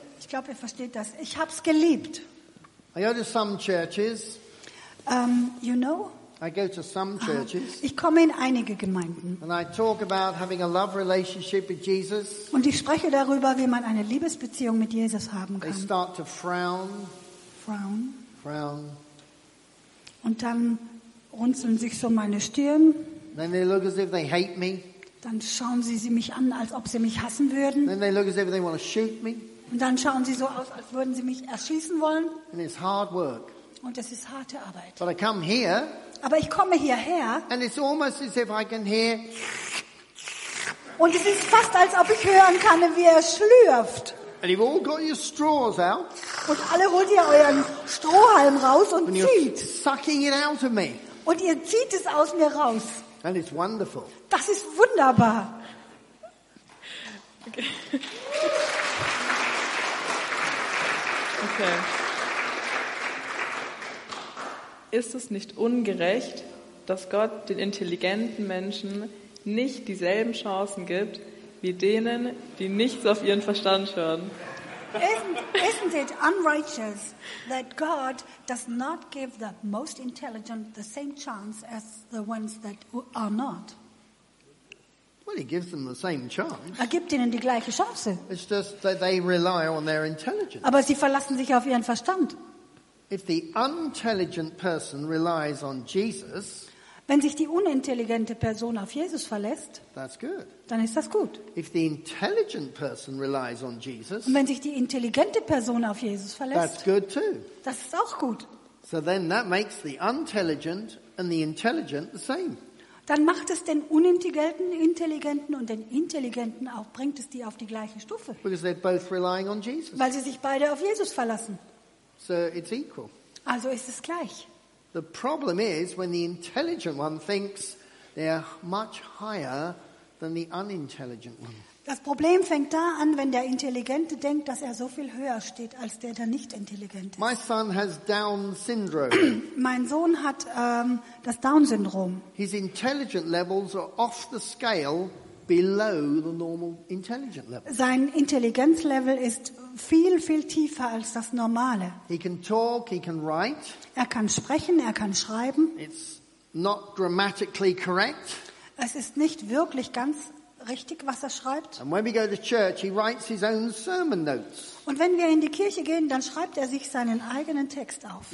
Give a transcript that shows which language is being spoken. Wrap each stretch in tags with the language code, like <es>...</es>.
<de>Ich glaube, ihr versteht das. Ich hab's geliebt.</de> <en>I go to some churches. You know? I go to some churches.</en> <de>Ich komme in einige Gemeinden.</de> <en>And I talk about having a love relationship with Jesus.</en> <de>Und ich spreche darüber, wie man eine Liebesbeziehung mit Jesus haben kann.</de> <en>They start to frown. Frown.</en> <de>Und dann runzeln sich so meine Stirn.</de> <en>Then they look as if they hate me.</en> <de>Dann schauen sie mich an, als ob sie mich hassen würden.</de> <en>Then they look as if they want to shoot me.</en> <de>Und dann schauen sie so aus, als würden sie mich erschießen wollen.</de> <en>And it's hard work.</en> <de>Und es ist harte Arbeit.</de> <en>But I come here,</en> <de>aber ich komme hierher.</de> <en>And it's almost as if I can hear.</en> <de>Und es ist fast, als ob ich hören kann, wie er schlürft.</de> <en>And you've all got your straws out.</en> <de>Und alle holt ihr euren Strohhalm raus und</de> <en>and</en> <de>zieht.</de> <en>You're sucking it out of me.</en> <de>Und ihr zieht es aus mir raus.</de> <en>And it's wonderful.</en> <de>Das ist wunderbar.</de> <en>Okay.</en> <de>Ist es nicht ungerecht, dass Gott den intelligenten Menschen nicht dieselben Chancen gibt, wie denen, die nichts auf ihren Verstand hören?</de> <en>Isn't it unrighteous that God does not give the most intelligent the same chance as the ones that are not? Well, he gives them the same chance.</en> <de>Er gibt ihnen die gleiche Chance.</de> <en>It's just that they rely on their intelligence.</en> <de>Aber sie verlassen sich auf ihren Verstand.</de> <en>If the unintelligent person relies on Jesus,</en> <de>wenn sich die unintelligente Person auf Jesus verlässt,</de> <en>that's good.</en> <de>Dann ist das gut.</de> <en>If the intelligent person relies on Jesus,</en> <de>und wenn sich die intelligente Person auf Jesus verlässt,</de> <en>that's good too.</en> <de>Das ist auch gut.</de> <en>So then that makes the unintelligent and the intelligent the same.</en> <de>Dann macht es den unintelligenten Intelligenten und den Intelligenten auch, bringt es die auf die gleiche Stufe.</de> <en>Because they're both relying on Jesus.</en> <de>Weil sie sich beide auf Jesus verlassen.</de> <en>So it's equal.</en> <de>Also ist es gleich.</de> <en>The problem is when the intelligent one thinks they are much higher than the unintelligent one.</en> <de>Das Problem fängt da an, wenn der Intelligente denkt, dass er so viel höher steht als der nicht intelligent ist.</de> <en>My son has Down syndrome.</en> <de>Mein Sohn hat das Down-Syndrom.</de> <en>His intelligent levels are off the scale below the normal intelligent level.</en> <de>Sein Intelligenzlevel ist viel, viel tiefer als das normale.</de> <en>He can talk, he can write.</en> <de>Er kann sprechen, er kann schreiben.</de> <en>It's not grammatically correct.</en> <de>Es ist nicht wirklich ganz richtig, was er schreibt.</de> <en>And when we go to church, he writes his own sermon notes.</en> <de>Und wenn wir in die Kirche gehen, dann schreibt er sich seinen eigenen Text auf.</de>